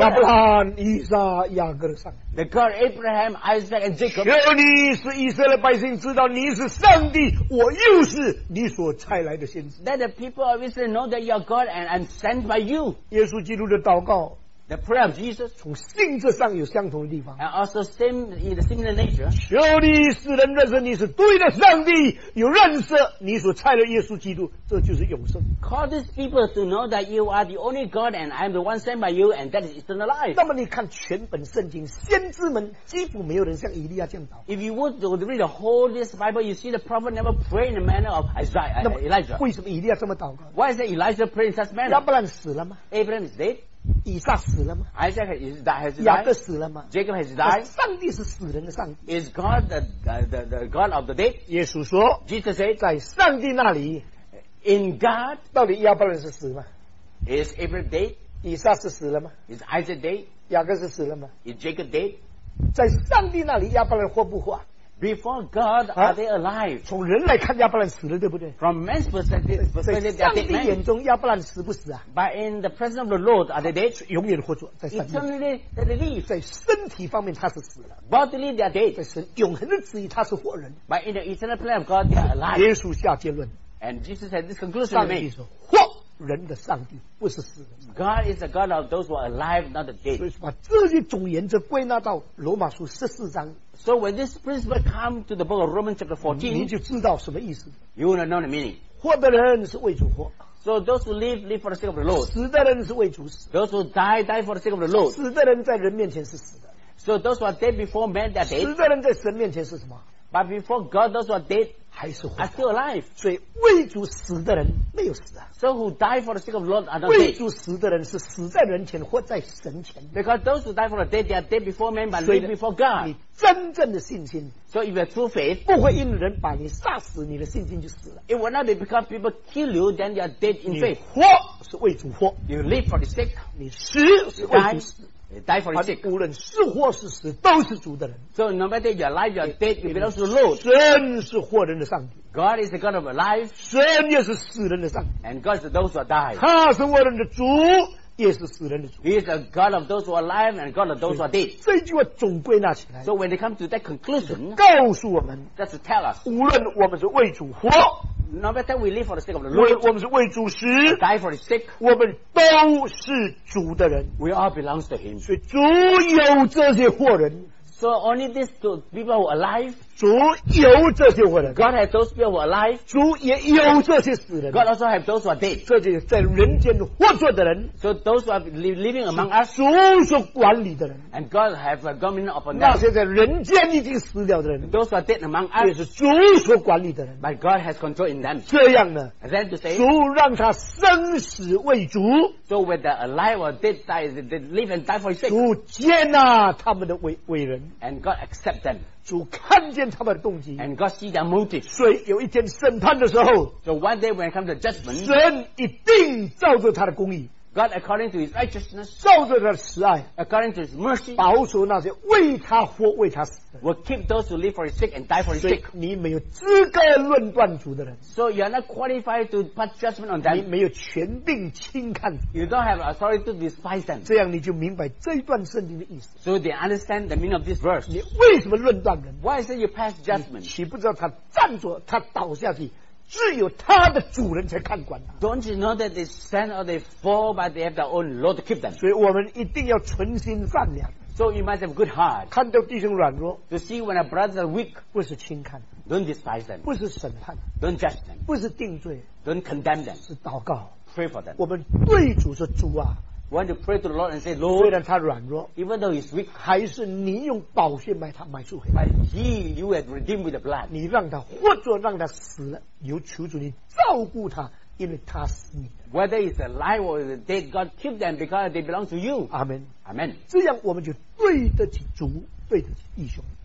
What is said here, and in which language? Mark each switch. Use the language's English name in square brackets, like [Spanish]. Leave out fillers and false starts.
[Chinese] 亚伯兰以撒雅各的上帝 [English] The God Abraham Isaac and Jacob [Chinese] 求你使以色列百姓知道你是上帝我又是你所差来的先知 [English] Let the people of Israel know that you are God and I'm sent by you [Chinese] 耶稣基督的祷告 [English] The prayer of Jesus [Chinese] 从性质上有相同的地方 [English] And also same in the similar nature [Chinese] 求你使人认识你是对的上帝有认识你所差来的耶稣基督这就是永生 [English] Call these people to know that you are the only God and I'm the one sent by you and that is eternal life [Chinese] 那么你看全本圣经先知们几乎没有人像以利亚这样祷 [English] If you would to read the whole this Bible you see the prophet never pray in the manner of Isaiah, Elijah [Chinese] 为什么以利亚这么祷告 [English] Why is that Elijah pray in such manner [Chinese] 亚伯兰死了吗 [English] Abraham is dead [Chinese] 以撒死了吗 [English] Isaac has died [Chinese] 雅各死了吗 [English] Jacob has died [Chinese] 上帝是死人的上帝 [English] Is God the God of the dead [Chinese] 耶稣说 [English] Jesus said [Chinese] 在上帝那里 [English] In God, [Chinese] 到底亚伯兰是死吗 [English] ？Is Abraham dead? [Chinese] 以撒是死了吗 [English] ？Is Isaac dead? [Chinese] 雅各是死了吗 [English] ？Is Jacob dead? [Chinese] 在上帝那里，亚伯兰活不活 [English] ？Before God, are they alive? [Chinese] 从人来看，亚伯兰死了，对不对 [English] ？From man's perspective, [Chinese] 在上帝眼中，亚伯兰死不死啊 [English] ？But in the presence of the Lord, are they dead? [Chinese] 永远活着，在上帝。 [English] Eternally, they live. [Chinese] 在身体方面，他是死了。 [English] Bodily, they are dead. [Chinese] 在神永恒的旨意，他是活人。 [English] But in the eternal plan of God, they are alive. [Chinese] 耶稣下结论。 [English] And Jesus had this conclusion to me. [Chinese] 上帝说活人的上帝，不是死人。 [English] God is the God of those who are alive, not the dead. [Chinese] 所以把这些总原则归纳到罗马书十四章。 [English] So when this principle come to the book of Romans chapter 14, [Chinese] 你就知道什么意思。 [English] You will know the meaning. [Chinese] 活的人是为主活。 [English] So those who live, live for the sake of the Lord. [Chinese] 死的人是为主死。 [English] Those who die, die for the sake of the Lord. [Chinese] 死的人在人面前是死的。 [English] So those who are dead before man, they are dead. [Chinese] 死的人在神面前是什么？ [English] But before God, those who are dead [Chinese] 还是活 [English] 的 are still alive. [Chinese] 所以为主死的人没有死啊。 [English] So who die for the sake of the Lord are not dead. [Chinese] 为主死的人是死在人前或在神前。 [English] Because those who die for the dead, they are dead before man, but live before God. [Chinese] 你真正的信心。 [English] So if you have true faith, [Chinese] 不会因人把你杀死，你的信心就死了。 [English] It will not be because people kill you, then you are dead in faith. [Chinese] 你活是为主活。 [English] You live for the sake. [Chinese] 你死是为主死。 [English] Die for the sake. [Chinese] 无论是活是死，都是主的人。 [English] So no matter you're alive, you're dead, you belong to the Lord. [Chinese] 神是活人的上帝。 [English] God is the God of life. [Chinese] 神也是死人的上帝。 [English] And God is those who die. [Chinese] 他是活人的主，也是死人的主。 [English] He is the God of those who are alive and God of those who are dead. [Chinese] 这句话总归纳起来。 [English] So when they come to that conclusion, [Chinese] 告诉我们 [English] ，That's to tell us. [Chinese] 无论我们是为主活。 [English] No matter we live for the sake of the Lord, [Chinese] 我们是为主死 [English] die for the sake, [Chinese] 我们都是主的人 [English] we all belong to him. [Chinese] 所以主有这些活人 [English] so only these people who are alive, [Chinese] 主有这些活人 [English] God has those people who are alive, [Chinese] 主也有这些死人 [English] God also has those who are dead, [Chinese] 这些在人间活着的人 [English] so those who are living among us, [Chinese] 主所管理的人 [English] and God has a government upon them, [Chinese] 那些在人间已经死掉的人 [English] those who are dead among us, [Chinese] 也是主所管理的人 [English] but God has control in them. [Chinese] 这样呢 [English] then to say, [Chinese] 主让他生死为主 [English] so whether alive or dead, die, they live and die for his sake. [Chinese] 主接纳他们的 为人 [English] and God accept them. [Chinese] 主看见他们的动机 [English] and God see their motive. [Chinese] 所以有一天审判的时候 [English] so one day when it comes to judgment, [Chinese] 神一定照着他的公义 [English] God according to his righteousness, [Chinese] 照着他的慈爱 [English] according to his mercy, [Chinese] 保守那些为他活为他死 [English] will keep those who live for his sake and die for his sake. [Chinese] 你没有资格论断主的人 [English] so you are not qualified to pass judgment on them. [Chinese] 你没有权柄轻看 [English] you don't have authority to despise them. [Chinese] 这样你就明白这段圣经的意思 [English] so they understand the meaning of this verse. [Chinese] 你为什么论断人 [English] why is it you pass judgment? [Chinese] 岂不知道他站着他倒下去只有他的主人才看管、啊、 [English] Don't you know that they stand or they fall but they have their own Lord to keep them? [Chinese] 所以我们一定要存心善良 [English] So you must have good heart [Chinese] 看到弟兄软弱 [English] To see when a brother are weak [Chinese] 不是轻看 [English] Don't despise them [Chinese] 不是审判 [English] Don't judge them [Chinese] 不是定罪 [English] Don't condemn them [Chinese] 是祷告 [English] Pray for them [Chinese] 我们对主说主啊 [English] Want to pray to the Lord and say Lord [Chinese] 虽然他软弱 [English] Even though he's weak [Chinese] 还是你用宝血买他买赎回 [English] But he you have redeemed with the blood [Chinese] 你让他活着让他死了由求主你照顾他，因为他是你的。 [English] Whether it's alive or dead, God keep them because they belong to you. Amen. Amen. [Chinese] 这样我们就对得起主，对得起弟兄。